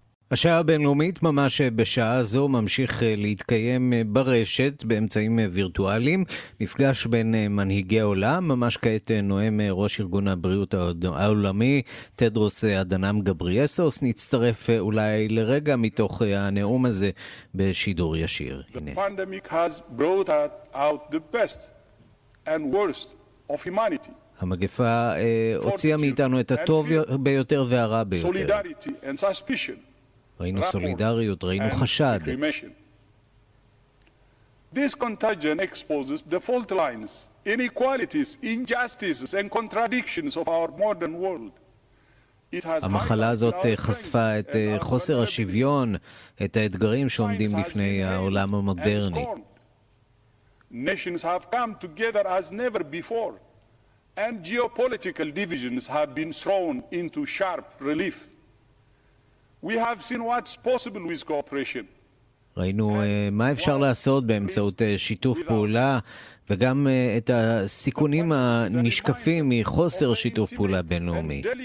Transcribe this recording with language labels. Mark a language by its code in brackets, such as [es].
[he] השעה הבינלאומית ממש בשעה זו ממשיך להתקיים ברשת באמצעים וירטואליים. מפגש בין מנהיגי עולם, ממש כעת נועם ראש ארגון הבריאות העולמי, טדרוס אדנאם גבריאסוס, נצטרף אולי לרגע מתוך הנאום הזה בשידור ישיר. הנה. [en] The pandemic has brought out the best and worst of humanity. [he] המגפה הוציאה מאיתנו את הטוב ביותר והרע ביותר. [en] Solidarity and suspicion. [he] ראינו סולידריות, ראינו חשד. [en] This contagion exposes the fault lines, inequalities, injustices and contradictions of our modern world. [he] המחלה הזאת חשפה את חוסר השוויון, את האתגרים שעומדים בפני העולם המודרני. [en] Nations have come together as never before and geopolitical divisions have been thrown into sharp relief. We have seen what's possible with cooperation. [he] ראינו מה אפשר לעשות באמצעות שיתוף פעולה, וגם את הסיכונים הנשקפים מחוסר שיתוף פעולה בינלאומי.